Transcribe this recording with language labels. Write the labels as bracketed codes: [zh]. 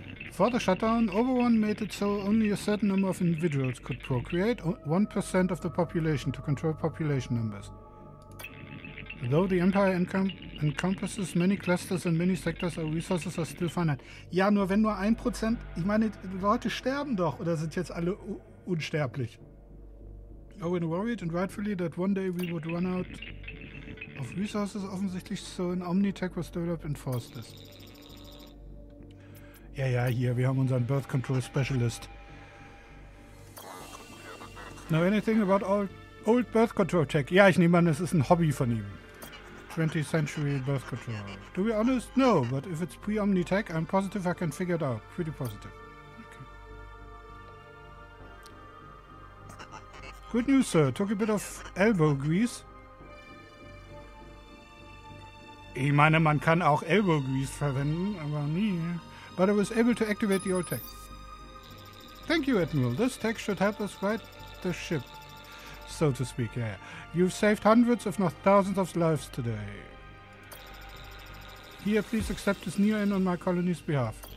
[en] For the shutdown, Oberon made it so only a certain number of individuals could procreate, 1% of the population to control population numbers. Though the Empire encompasses many clusters and many sectors, our resources are still finite. [de] Ja, nur wenn nur 1%... Ich meine, die Leute sterben doch, oder sind jetzt alle unsterblich? [en] Owen worried, and rightfully, that one day we would run out of resources, [de] offensichtlich [en] so an Omnitech was developed and forced this. [de] Ja, ja, hier, wir haben unseren Birth Control Specialist. [en] Know anything about all... Old Birth Control Check. [de] Ja, ich nehme an, es ist ein Hobby von ihm. [en] 20th Century Birth Control. To be honest, no, but if it's pre-Omnitech, I'm positive I can figure it out. Pretty positive. Good news, sir. Took a bit of elbow grease. [de] Ich meine, man kann auch elbow grease verwenden, aber nie. [en] But I was able to activate the old tech. Thank you, Admiral. This tech should help us right the ship, so to speak. Yeah. You've saved hundreds, if not thousands, of lives today. Here, please accept this new end on my colony's behalf.